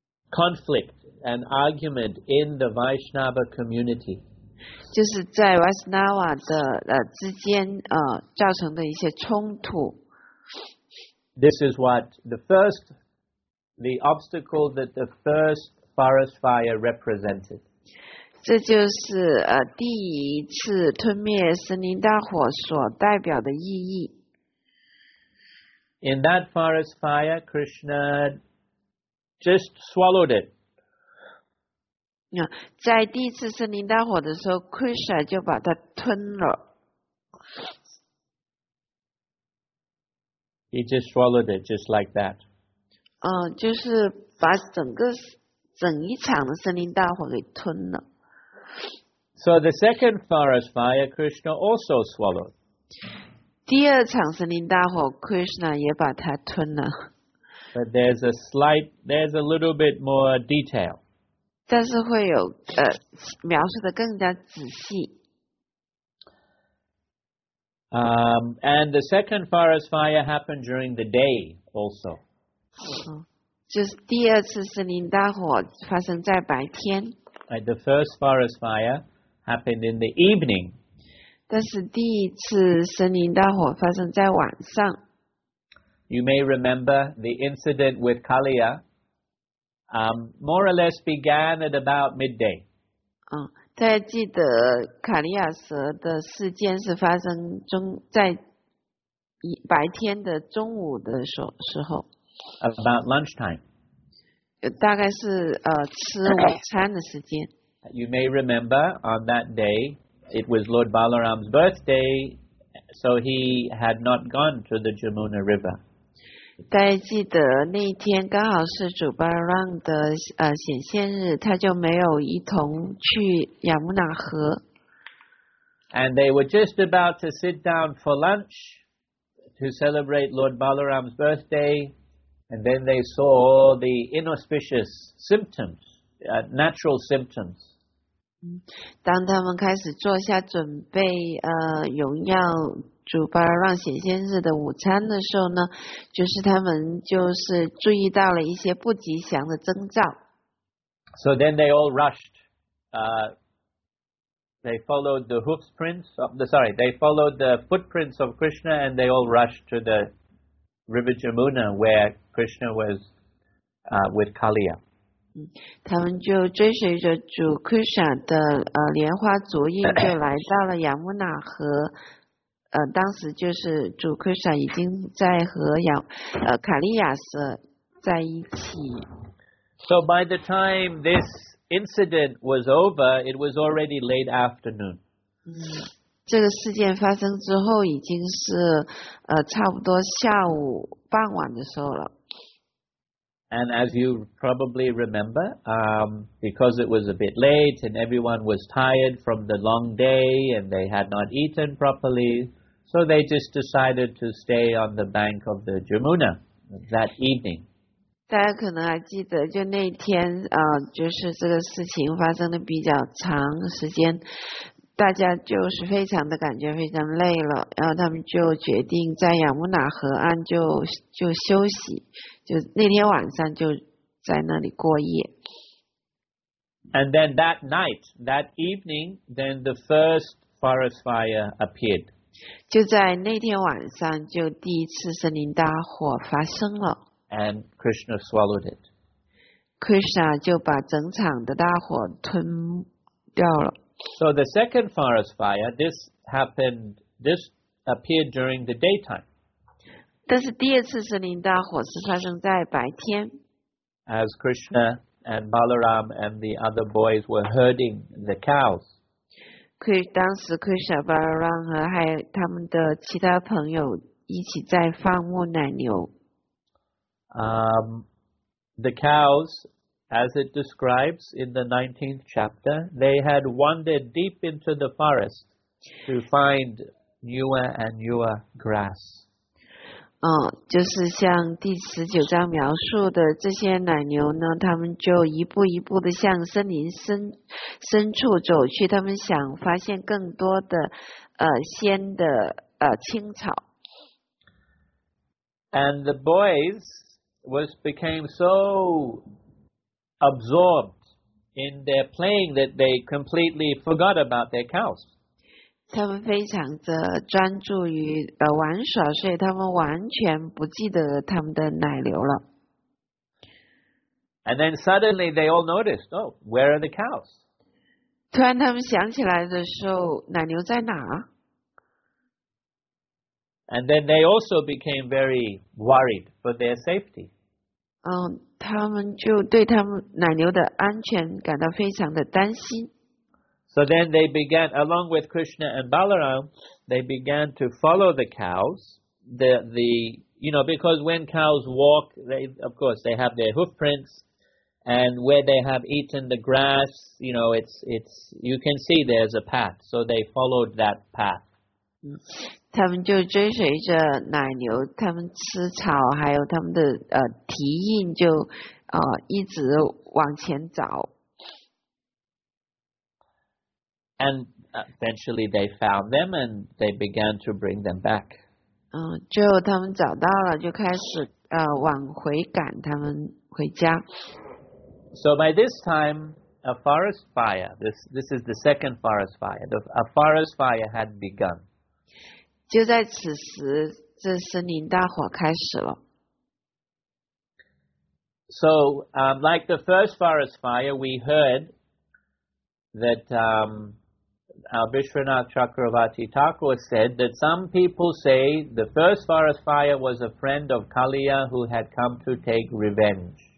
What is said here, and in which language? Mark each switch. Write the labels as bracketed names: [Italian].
[English] Conflict and argument in the Vaishnava community. [Chinese] 就是在 Vaishnava 的之间造成的一些冲突。 [English] This is what the obstacle that the first forest fire represented. [Chinese] 这就是第一次吞灭森林大火所代表的意义。 [English] In that forest fire, Krishna just swallowed it. [Chinese] 在第一次森林大火的时候， Krishna 就把它吞了。 [English] He just swallowed it just like that. [Chinese] 就是把整一场的森林大火给吞了。 [English] So the second forest fire, Krishna also swallowed. [Chinese] 第二场森林大火 ，Krishna 也把它吞了。 [English] But there's a little bit more detail. [Chinese] 但是会有描述的更加仔细。 [English] And the second forest fire happened during the day also. [Chinese] 就是第二次森林大火发生在白天。 [English] Like the first forest fire happened in the evening. [Chinese] 但是第一次森林大火发生在晚上。 [English] You may remember the incident with Kaliya, more or less began at about midday. [Chinese] 大家记得卡利亚蛇的事件是发生在白天的中午的时候。 [English] About lunchtime. [Chinese] 大概是吃午餐的时间。 [English] You may remember on that day it was Lord Balaram's birthday, so he had not gone to the Jamuna River. [Chinese] 在记得那天刚好是主巴朗的显现日，他就没有一同去亚穆纳河。 [English] And they were just about to sit down for lunch to celebrate Lord Balaram's birthday, and then they saw the inauspicious symptoms, natural symptoms. [Chinese] 当他们开始坐下准备荣耀主巴朗显现日的午餐的时候呢，就是他们就是注意到了一些不吉祥的征兆。 [English] So then they all rushed. They followed the hoofs prints. They followed the footprints of Krishna, and they all rushed to the river Jamuna where Krishna was with Kaliya. [Chinese] 他们就追随着主 Krishna 的莲花足印，就来到了亚穆纳河。当时就是主 Krishna 已经在和卡利亚瑟在一起。 [English] So by the time this incident was over, it was already late afternoon. [Chinese] 这个事件发生之后已经是差不多下午傍晚的时候了。 [English] And as you probably remember, because it was a bit late and everyone was tired from the long day and they had not eaten properly, so they just decided to stay on the bank of the Jamuna that evening. [Chinese] 大家可能还记得，就那天，就是这个事情发生的比较长时间，大家就是非常的感觉非常累了，然后他们就决定在亚穆纳河岸就休息，就那天晚上就在那里过夜。 [English] And then that night, that evening, then the first forest fire appeared. [Chinese] 就在那天晚上，就第一次森林大火发生了。 [English] And Krishna swallowed it. [Chinese] Krishna 就把整场的大火吞掉了。 [English] So the second forest fire, this appeared during the daytime. [Chinese] 但是第二次森林大火是发生在白天。 [English] As Krishna and Balaram and the other boys were herding the cows. [Chinese] 当时 Krishna, Balaram 和还有他们的其他朋友一起在放牧奶牛。 [English] The cows, as it describes in the 19th chapter, they had wandered deep into the forest to find newer and newer grass. [Chinese] 就是像第十九章描述的，这些奶牛呢，他们就一步一步的向森林深处走去，他们想发现更多的鲜的青草。 [English] And the boys. Became so absorbed in their playing that they completely forgot about their cows. [Chinese] 他们非常的专注于玩耍，所以他们完全不记得他们的奶牛了。 [English] And then suddenly they all noticed, oh, where are the cows? [Chinese] 突然他们想起来的时候，奶牛在哪？ [English] And then they also became very worried for their safety. [Chinese] 他们就对他们奶牛的安全感到非常的担心。 [English] So then they began, along with Krishna and Balaram, they began to follow the cows. Because when cows walk, they have their hoof prints, and where they have eaten the grass, you know, you can see there's a path. So they followed that path. [Chinese] 他们就追随着奶牛，他们吃草，还有他们的蹄印就一直往前走。 [English] And eventually they found them and they began to bring them back. [Chinese] 最后他们找到了，就开始往回赶他们回家。 [English] So by this time, a forest fire, this is the second forest fire, a forest fire had begun. [Chinese] 就在此时，这森林大火开始了。 [English] So, like the first forest fire, we heard that Vishwanath Chakravarti Thakur said that some people say the first forest fire was a friend of Kaliya who had come to take revenge.